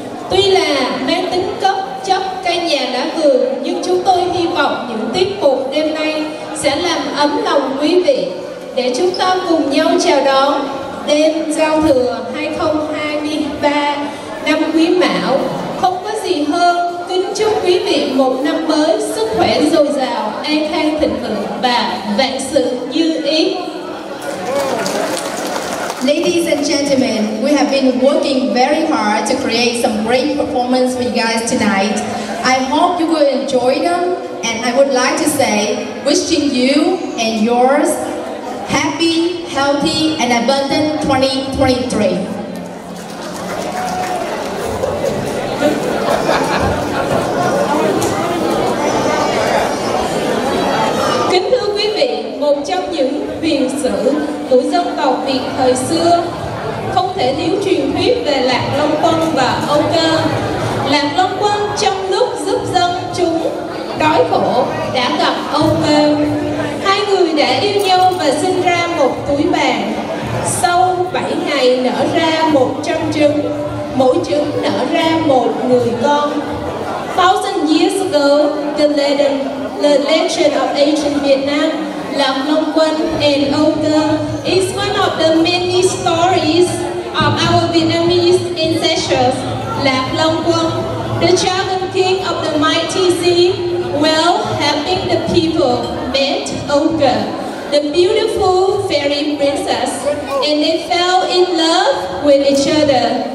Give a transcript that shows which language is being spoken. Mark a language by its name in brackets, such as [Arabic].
[Vietnamese] Tuy là mang tính cấp chấp cây nhà lá vườn, nhưng chúng tôi hy vọng những tiết mục đêm nay sẽ làm ấm lòng quý vị để chúng ta cùng nhau chào đón đêm giao thừa 2023 năm Quý Mão. Không có gì hơn kính chúc quý vị một năm mới sức khỏe dồi dào, an khang thịnh vượng và vạn sự như ý. [English] Ladies and gentlemen, we have been working very hard to create some great performance for you guys tonight. I hope you will enjoy them, and I would like to say, wishing you and yours happy, healthy, and abundant 2023. [Vietnamese] Kính thưa quý vị, một trong những huyền sử của dân tộc Việt thời xưa, không thể thiếu truyền thuyết về Lạc Long Quân và Âu Cơ. Lạc Long Quân trong lúc giúp dân chúng đói khổ đã gặp Âu Cơ. Hai người đã yêu nhau và sinh ra một túi vàng. Sau 7 ngày nở ra 100 trứng, mỗi trứng nở ra một người con. [English] 1000 years ago, the legend of ancient Vietnam, Lạc Long Quân and Âu Cơ is one of the many stories of our Vietnamese ancestors. Lạc Long Quân, the dragon king of the mighty sea, while helping the people, met Âu Cơ, the beautiful fairy princess, and they fell in love with each other.